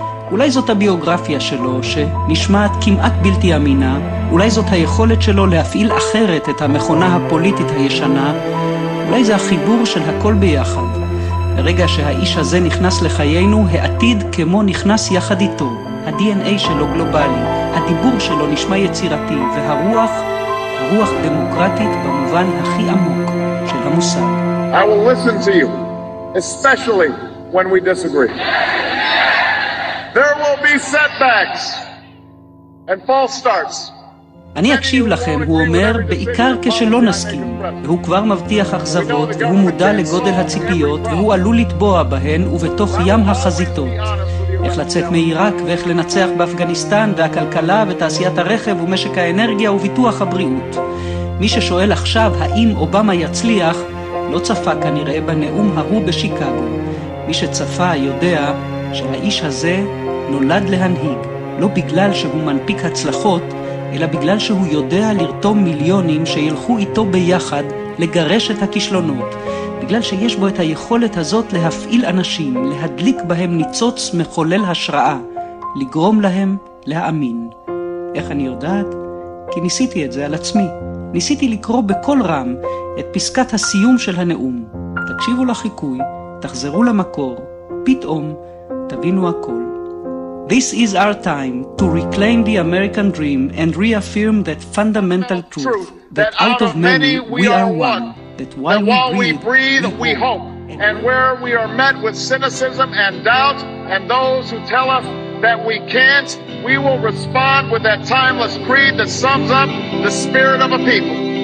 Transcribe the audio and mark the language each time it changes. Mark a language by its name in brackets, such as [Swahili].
[Hebrew] אולי זאת הביוגרפיה שלו, שנשמעת כמעט בלתי אמינה, אולי זאת היכולת שלו להפעיל אחרת את המכונה הפוליטית הישנה, אולי זה החיבור של הכל ביחד. ברגע שהאיש הזה נכנס לחיינו, העתיד כמו נכנס יחד איתו. ה-DNA שלו גלובלי, הדיבור שלו נשמע יצירתי, והרוח, רוח דמוקרטית במובן הכי עמוק של המושג. [English] I will listen to you, especially when we disagree. There will be setbacks and false starts. [Hebrew] אני אקשיב לכם, הוא אומר, בעיקר כשלא נסכים. והוא כבר מבטיח אכזבות, והוא מודע לגודל הציפיות, והוא עלול לטבוע בהן ובתוך ים החזיתות. איך לצאת מעיראק ואיך לנצח באפגניסטן, והכלכלה ותעשיית הרכב ומשק האנרגיה וביטוח הבריאות. מי ששואל עכשיו האם אובמה יצליח, לא צפה כנראה בנאום ההוא בשיקגו. מי שצפה יודע שהאיש הזה נולד להנהיג, לא בגלל שהוא מנפיק הצלחות, אלא בגלל שהוא יודע לרתום מיליונים שילכו איתו ביחד לגרש את הכישלונות. בגלל שיש בו את היכולת הזאת להפעיל אנשים, להדליק בהם ניצוץ מחולל השראה, לגרום להם להאמין. איך אני יודעת? כי ניסיתי את זה על עצמי. ניסיתי לקרוא בכל רם את פסקת הסיום של הנאום. תקשיבו לחיקוי, תחזרו למקור, פתאום תבינו הכל. [English] This is our time to reclaim the American dream and reaffirm that fundamental truth that out of many we are one, that while we breathe we hope, and where we are met with cynicism and doubt and those who tell us that we can't, we will respond with that timeless creed that sums up the spirit of a people.